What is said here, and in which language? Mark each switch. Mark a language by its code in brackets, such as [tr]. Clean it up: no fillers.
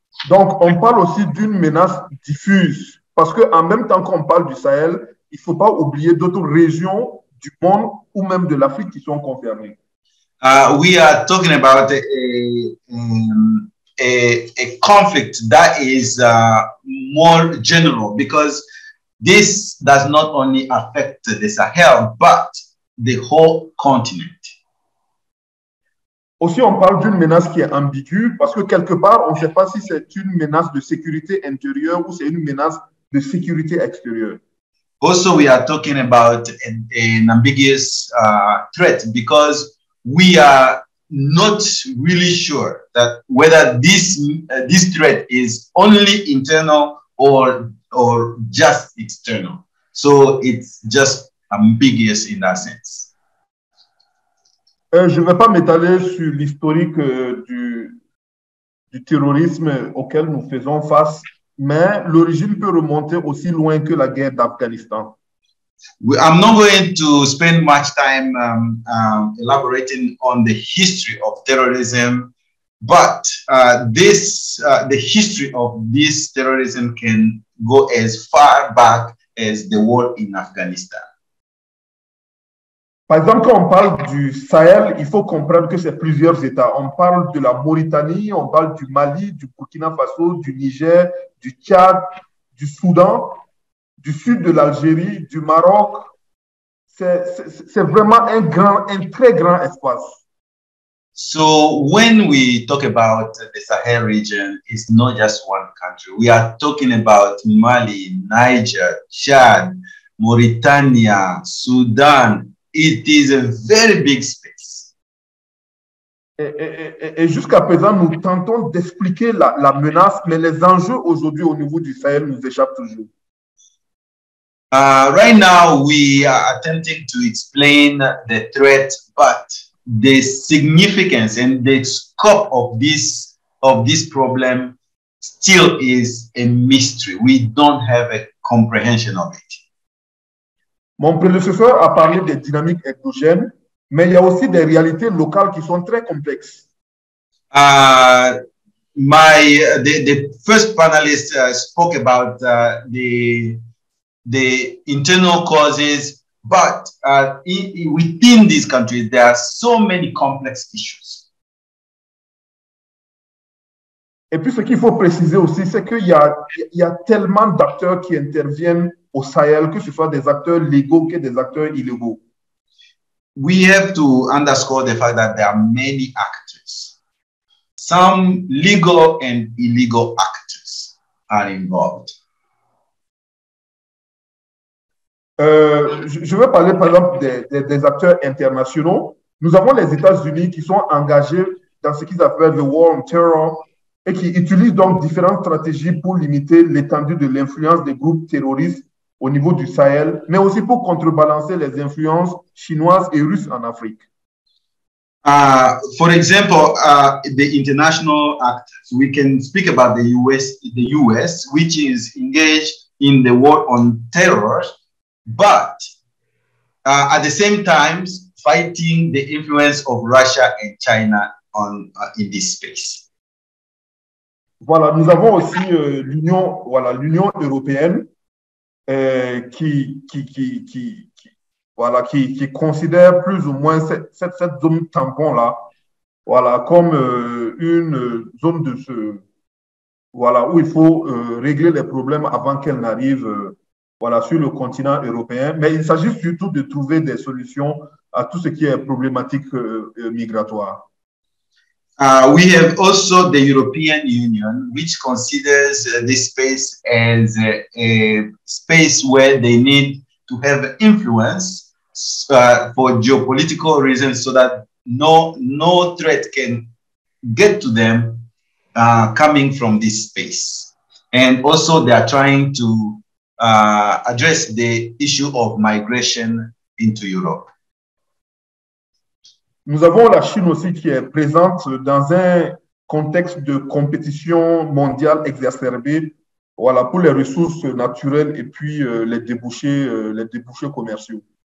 [fr] Donc, on parle aussi d'une menace diffuse parce que en même temps qu'on parle du Sahel, il faut pas oublier d'autres régions du monde ou même de l'Afrique qui sont concernées. [en] We are talking about a conflict that is more general because this does not only affect the Sahel but the whole continent. [fr] Aussi, on parle d'une menace qui est ambiguë parce que quelque part, on ne sait pas si c'est une menace de sécurité intérieure ou c'est une menace de sécurité extérieure. [en] Also, we are talking about an ambiguous threat because we are not really sure that whether this threat is only internal or just external. So it's just ambiguous in that sense. [fr] Je ne vais pas m'étaler sur l'historique du terrorisme auquel nous faisons face, mais l'origine peut remonter aussi loin que la guerre d'Afghanistan. [en] I'm not going to spend much time elaborating on the history of terrorism, but the history of this terrorism can go as far back as the war in Afghanistan. [fr] Par exemple, quand on parle du Sahel, il faut comprendre que c'est plusieurs États. On parle de la Mauritanie, on parle du Mali, du Burkina Faso, du Niger, du Tchad, du Soudan, du sud de l'Algérie, du Maroc. C'est vraiment un très grand espace. [en] So when we talk about the Sahel region, it's not just one country. We are talking about Mali, Niger, Tchad, Mauritania, Sudan. It is a very big space. [fr] Et jusqu'à présent, nous tentons d'expliquer la menace, mais les enjeux aujourd'hui au niveau du Sahel nous échappent toujours. [en] Right now, we are attempting to explain the threat, but the significance and the scope of this problem still is a mystery. We don't have a comprehension of it. [fr] Mon prédécesseur a parlé des dynamiques endogènes, mais il y a aussi des réalités locales qui sont très complexes. [en] The first panelist spoke about the internal causes, but within these countries, there are so many complex issues. [fr] Et puis, ce qu'il faut préciser aussi, c'est qu'il y a tellement d'acteurs qui interviennent au Sahel, que ce soit des acteurs légaux que des acteurs illégaux. [en] We have to underscore the fact that there are many actors. Some legal and illegal actors are involved. [fr] Je veux parler, par exemple, des acteurs internationaux. Nous avons les États-Unis qui sont engagés dans ce qu'ils appellent le [en] war on terror [fr] et qui utilisent donc différentes stratégies pour limiter l'étendue de l'influence des groupes terroristes au niveau du Sahel, mais aussi pour contrebalancer les influences chinoises et russes en Afrique. [en] For example, the international actors, we can speak about the US, which is engaged in the war on terror, but at the same time fighting the influence of Russia and China in this space. [fr] Voilà, nous avons aussi l'Union européenne qui considère plus ou moins cette zone tampon là, voilà, comme une zone de ce voilà où il faut régler les problèmes avant qu'elles n'arrivent voilà sur le continent européen. Mais il s'agit surtout de trouver des solutions à tout ce qui est problématique migratoire. [en] We have also the European Union, which considers this space as a space where they need to have influence for geopolitical reasons so that no threat can get to them coming from this space. And also they are trying to address the issue of migration into Europe. [fr] Nous avons la Chine aussi qui est présente dans un contexte de compétition mondiale exacerbée, voilà, pour les ressources naturelles et puis les débouchés commerciaux.